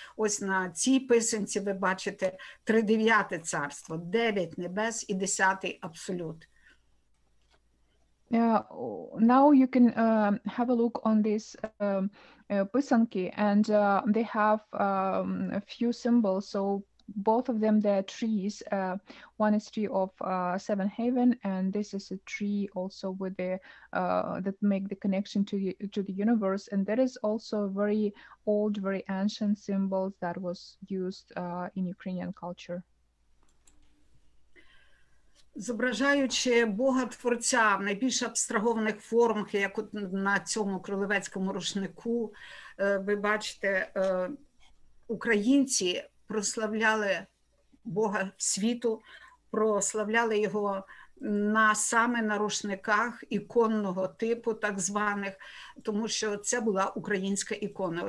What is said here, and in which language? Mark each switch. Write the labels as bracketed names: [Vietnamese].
[Ukrainian] Ось на цій писанці ви бачите 39-те царство, 9 небес і 10-й абсолют. [English] Now you can have a look on this pisanki, and they have a few symbols. So both of them, they're trees. One is tree of seven heaven, and this is a tree also with the that make the connection to the universe. And there is also very old, very ancient symbols that was used in Ukrainian culture. [Ukrainian] Зображаючи Бога-творця в найбільш абстрагованих формах, як от на цьому кролевецькому рушнику, ви бачите, українці прославляли Бога світу, прославляли його на саме на рушниках іконного типу, так званих, тому що це була українська ікона.